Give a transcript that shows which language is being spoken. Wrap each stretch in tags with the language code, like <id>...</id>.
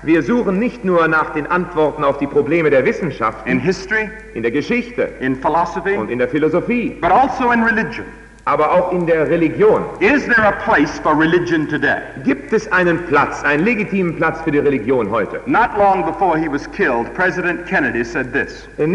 <de>Wir suchen nicht nur nach den Antworten auf die Probleme der Wissenschaft.</de> <en>In history.</en> <de>In der Geschichte.</de> <en>In philosophy.</en> <de>Und in der Philosophie.</de> <en>But also in religion.</en> <de>Aber auch in der Religion.</de> <en>Is there a place for religion today?</en> <de>Gibt es einen Platz, einen legitimen Platz für die Religion heute?</de> <en>Not long before he was killed, President Kennedy said this.</en>